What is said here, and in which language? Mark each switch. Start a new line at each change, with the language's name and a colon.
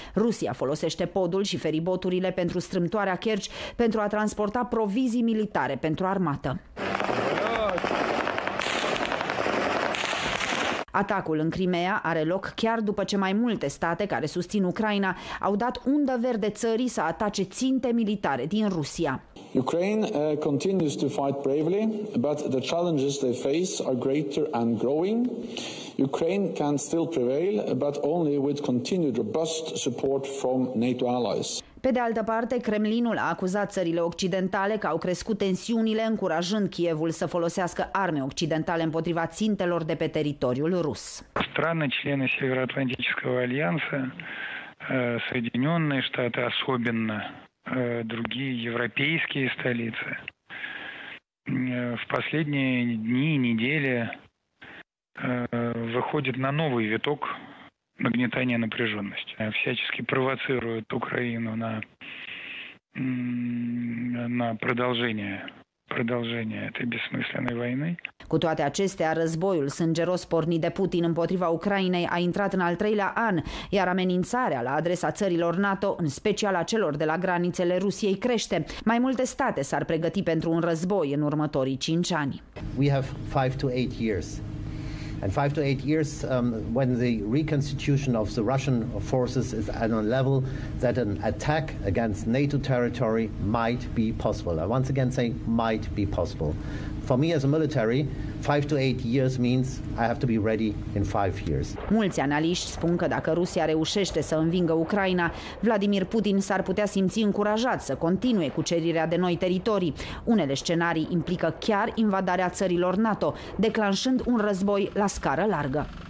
Romanian: Rusia folosește podul și feriboturile pentru strâmtoarea Kerch pentru a transporta provizii militare pentru armată. Atacul în Crimea are loc chiar după ce mai multe state care susțin Ucraina au dat undă verde țării să atace ținte militare din Rusia.
English: Ukraine continues to fight bravely, but the challenges they face are greater and growing. Ukraine can still prevail, but only with continued robust support from NATO allies.
Romanian: Pe de altă parte, Kremlinul a acuzat țările occidentale că au crescut tensiunile, încurajând Kievul să folosească arme occidentale împotriva țintelor de pe teritoriul rus.
Russian: Страны члены Североатлантического альянса, Соединенные Штаты особенно, другие европейские столицы в последние дни и недели выходят на новый виток нагнетания напряженности, всячески провоцируют Украину на продолжение этой бессмысленной войны.
Romanian: Cu toate acestea, războiul sângeros pornit de Putin împotriva Ucrainei a intrat în al treilea an, iar amenințarea la adresa țărilor NATO, în special a celor de la granițele Rusiei, crește. Mai multe state s-ar pregăti pentru un război în următorii 5 ani.
English: We have 5 to 8 years. And 5 to 8 years when the reconstitution of the Russian forces is at a level that an attack against NATO territory might be possible. I once again say might be possible. For me as a military, 5 to 8 years means I have to be ready in 5 years.
Romanian: Mulți analiști spun că dacă Rusia reușește să învingă Ucraina, Vladimir Putin s-ar putea simți încurajat să continue cucerirea de noi teritorii. Unele scenarii implică chiar invadarea țărilor NATO, declanșând un război la scară largă.